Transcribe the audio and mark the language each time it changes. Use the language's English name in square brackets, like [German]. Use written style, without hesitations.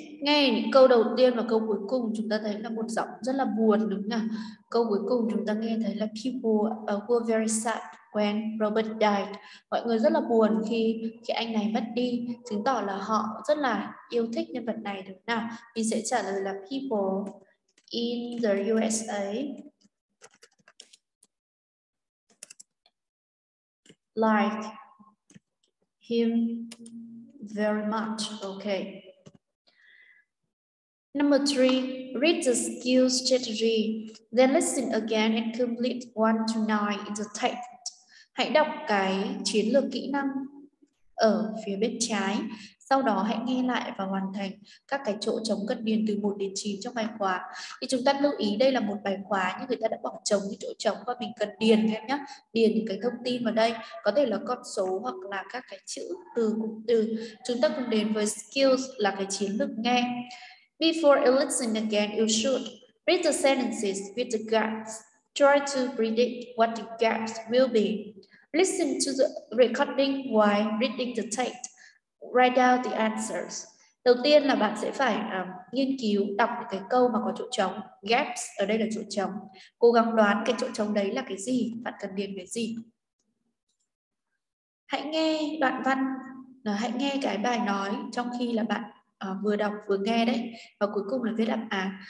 [Vietnamese] Nghe những câu đầu tiên và câu cuối cùng chúng ta thấy là một giọng rất là buồn đúng không? Câu cuối cùng chúng ta nghe thấy là [English] people were very sad when Robert died. [Vietnamese] Mọi người rất là buồn khi anh này mất đi, chứng tỏ là họ rất là yêu thích nhân vật này đúng không? Mình sẽ trả lời là [English] people in the USA like him very much. Okay. Number 3, read the skill strategy, then listen again and complete 1 to 9 in the text. [Vietnamese] Hãy đọc cái chiến lược kỹ năng ở phía bên trái, sau đó hãy nghe lại và hoàn thành các cái chỗ trống cần điền từ 1 đến 9 trong bài khóa. Thì chúng ta lưu ý đây là một bài khóa nhưng người ta đã bỏ trống những chỗ trống và mình cần điền thêm nhé. Điền những cái thông tin vào đây, có thể là con số hoặc là các cái chữ từ cụm từ. Chúng ta cùng đến với skills là cái chiến lược nghe. [English] Before you listen again, you should read the sentences with the gaps. Try to predict what the gaps will be. Listen to the recording while reading the text. Write down the answers. [Vietnamese] Đầu tiên là bạn sẽ phải nghiên cứu, đọc những cái câu mà có chỗ trống. Gaps, ở đây là chỗ trống. Cố gắng đoán cái chỗ trống đấy là cái gì, bạn cần điền cái gì. Hãy nghe đoạn văn, hãy nghe cái bài nói trong khi là bạn vừa đọc vừa nghe đấy, và cuối cùng là viết đáp án.